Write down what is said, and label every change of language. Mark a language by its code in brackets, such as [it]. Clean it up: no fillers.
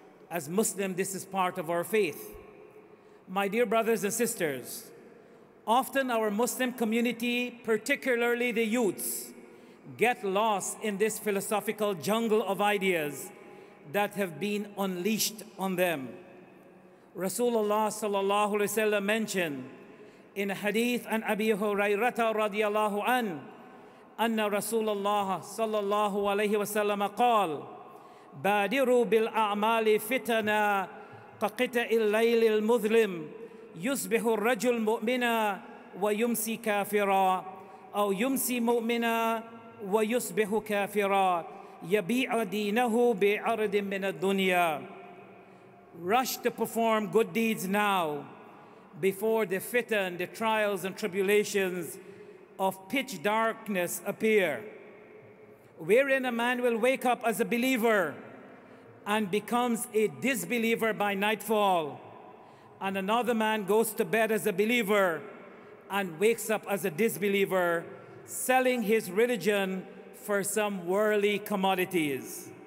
[en] As Muslims, this is part of our faith. My dear brothers and sisters, often our Muslim community, particularly the youths, get lost in this philosophical jungle of ideas that have been unleashed on them. [ar] Rasulullah sallallahu alaihi wasallam [en] mentioned in a hadith [ar] an Abi Hurairata radiallahu anhu, أن رسول الله صلى الله عليه وسلم قال بادروا بالأعمال فتنة قطع الليل المظلم يصبح الرجل مؤمنا ويمسي كافرا أو يمسي مؤمنا ويصبح كافرا يبيع دينه بعرض من الدنيا. [en] Rush to perform good deeds now before the fitan, the trials and tribulations of pitch darkness appear, wherein a man will wake up as a believer and becomes a disbeliever by nightfall, and another man goes to bed as a believer and wakes up as a disbeliever, selling his religion for some worldly commodities.